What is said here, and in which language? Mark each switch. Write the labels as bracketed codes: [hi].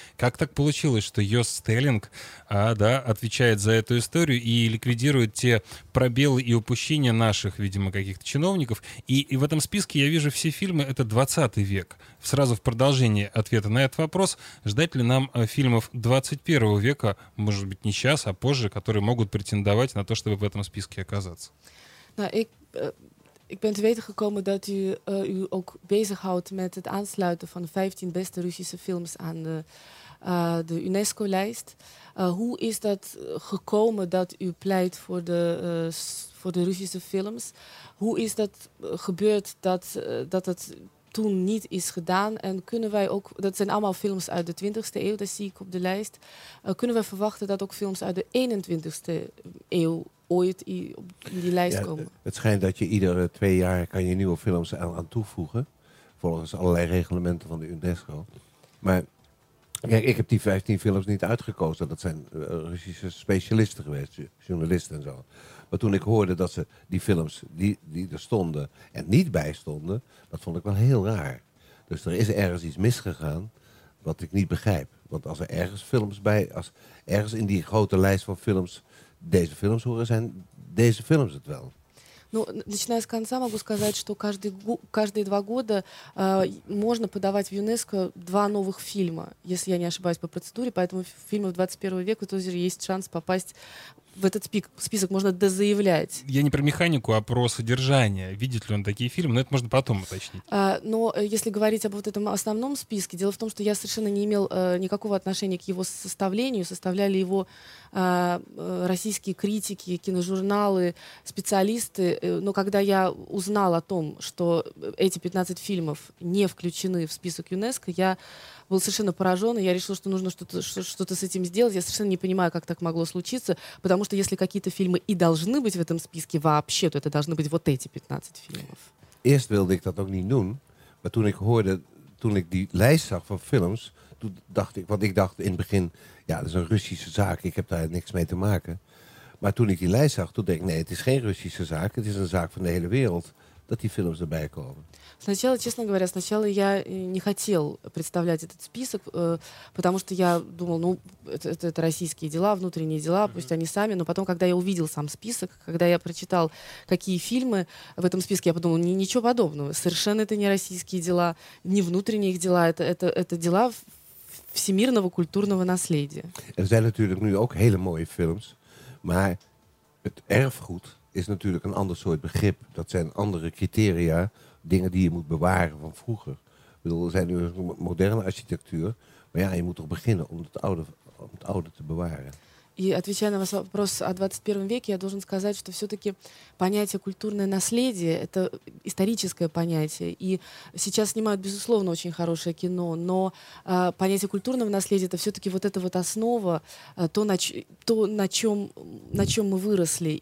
[ru] Как так получилось, что Йо Стеллинг отвечает за эту историю и ликвидирует те пробелы и упущения наших, видимо, каких-то чиновников? И в этом списке я вижу все фильмы, это 20 век. Сразу в продолжение ответа на этот вопрос, ждать ли нам фильмов 21 века, может быть, не сейчас, а позже, которые могут претендовать на то, чтобы в этом списке оказаться. Да, [nl] Ik ben te weten gekomen dat u u ook bezighoudt met het aansluiten van 15 beste Russische films aan de UNESCO-lijst. Hoe is dat gekomen dat u pleit voor de Russische films? Hoe is dat gebeurd dat het toen niet is gedaan? En kunnen wij ook, dat zijn allemaal films uit de 20e eeuw, dat zie ik op de lijst. Kunnen we verwachten dat ook films uit de 21e eeuw ooit op die lijst komen? Het schijnt dat je iedere twee jaar kan je nieuwe films aan toevoegen. Volgens allerlei reglementen van de UNESCO. Maar kijk, ik heb die 15 films niet uitgekozen. Dat zijn Russische specialisten geweest, journalisten en zo. Maar toen ik hoorde dat ze die films die er stonden en niet bij stonden, dat vond ik wel heel raar. Dus er is ergens iets misgegaan wat ik niet begrijp. Want als er ergens films bij, als ergens in die grote lijst van films deze films horen, zijn deze films het wel. [ru] Ну, начиная с конца, могу сказать, что каждые два года можно подавать в ЮНЕСКО два новых фильма, если я не ошибаюсь по процедуре, поэтому фильмы в 21 веке тоже есть шанс попасть в этот список, можно дозаявлять. Я не про механику, а про содержание, видит ли он такие фильмы, но это можно потом уточнить. Но если говорить об вот этом основном списке, дело в том, что я совершенно не имел никакого отношения к его составлению, составляли его российские критики, киножурналы, специалисты. Но когда я узнал о том, что эти 15 фильмов не включены в список ЮНЕСКО, я был совершенно поражен, и я решил, что нужно что-то с этим сделать. Я совершенно не понимаю, как так могло случиться, потому что если какие-то фильмы и должны быть в этом списке вообще, то это должны быть вот эти 15 фильмов. [nl] Эрст wilde ik dat ook niet doen, maar toen ik hoorde, toen ik die lijst zag van films, toen dacht ik, want ik dacht in het begin, ja, dat is een Russische zaak, ik heb daar niks mee te maken. Maar toen ik die lijst zag, toen dacht ik, nee, het is geen Russische zaak, het is een zaak van de hele wereld dat die films erbij komen. [ru] Сначала, честно говоря, сначала я не хотел представлять этот список, потому что я думал, ну, это российские дела, внутренние дела, пусть они сами. Но потом, когда я увидел сам список, когда я прочитал, какие фильмы в этом списке, я подумал, ничего подобного, совершенно это не российские дела, не внутренние их дела, это дела всемирного культурного наследия. [nl] Er zijn natuurlijk nu ook hele mooie films, maar het erfgoed is natuurlijk een ander soort begrip. Dat zijn andere criteria. Dingen die je moet bewaren van vroeger. Ik bedoel, er zijn nu moderne architectuur. Maar ja, je moet toch beginnen om het oude te bewaren. [ru] И отвечая на ваш вопрос о 21 веке, я должен сказать, что все-таки понятие культурное наследие – это историческое понятие. И сейчас снимают, безусловно, очень хорошее кино, но понятие культурного наследия – это все-таки вот эта вот основа, на чем мы выросли.